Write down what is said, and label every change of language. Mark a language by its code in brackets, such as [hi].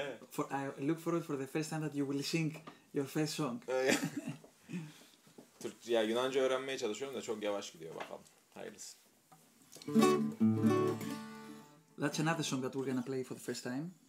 [en] For, I look forward for the first time that you will sing your first song. [tr] Ya Yunanca öğrenmeye çalışıyorum da çok yavaş gidiyor bakalım. Hayırlısı. [en] That's another song that we're gonna play for the first time.